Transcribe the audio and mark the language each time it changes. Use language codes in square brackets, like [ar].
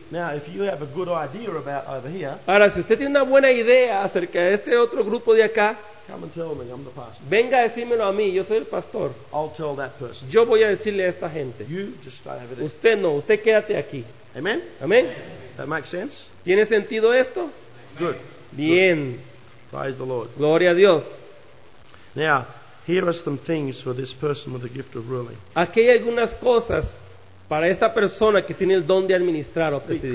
[en] Now, if you have a good idea about over here, [es] ahora, si usted tiene una buena idea acerca de este otro grupo de acá, [en] come and tell me, I'm the pastor. [es] Venga a decírmelo a mí, yo soy el pastor. [en] I'll tell that person. [es] Yo voy a decirle a esta gente. [en] You just stay over there. [es] Usted no, usted quédate aquí. [en] Amen? [es] Amen. [en] That makes sense? [es] ¿Tiene sentido esto? [en] Good. [es] Bien. [en] Praise the Lord. [es] Gloria a Dios. [en] Now, here are some things for this person with the gift of ruling. [es] Aquí hay algunas cosas para esta persona que tiene el don de administrar o presidir.